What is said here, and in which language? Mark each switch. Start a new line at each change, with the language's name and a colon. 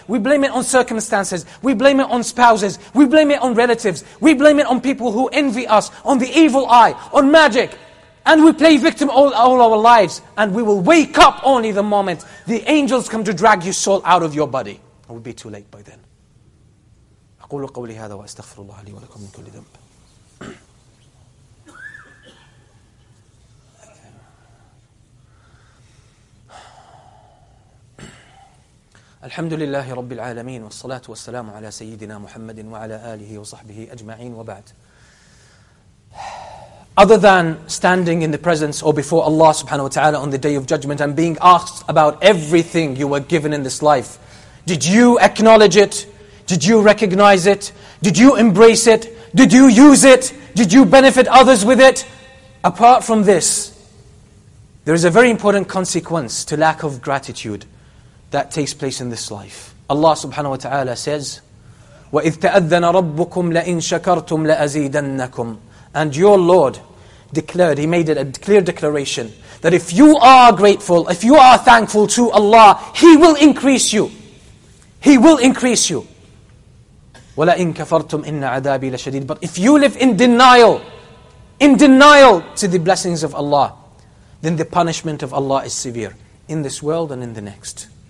English: We blame it on circumstances. We blame it on spouses. We blame it on relatives. We blame it on people who envy us, on the evil eye, on magic. And we play victim all our lives. And we will wake up only the moment the angels come to drag your soul out of your body. It will be too late by then.
Arabic: أقول قولي هذا وأستغفر الله لي ولكم من كل ذنب. الحمد لله رب العالمين والصلاة والسلام على سيدنا محمد وعلى آله وصحبه أجمعين وبعد.
English: Other than standing in the presence or before Allah subhanahu wa ta'ala on the day of judgment and being asked about everything you were given in this life, did you acknowledge it? Did you recognize it? Did you embrace it? Did you use it? Did you benefit others with it? Apart from this, there is a very important consequence to lack of gratitude that takes place in this life.
Arabic: Allah subhanahu wa ta'ala says, وَإِذْ تَأَذَّنَ رَبُّكُمْ لَإِنْ شَكَرْتُمْ لَأَزِيدَنَّكُمْ.
English: And your Lord declared, He made it a clear declaration, that if you are grateful, if you are thankful to Allah, He will increase you. He will increase you.
Arabic: وَلَإِنْ كَفَرْتُمْ إِنَّ عَذَابِي لَشَدِيدٌ.
English: But if you live in denial to the blessings of Allah, then the punishment of Allah is severe, in this world and in the next.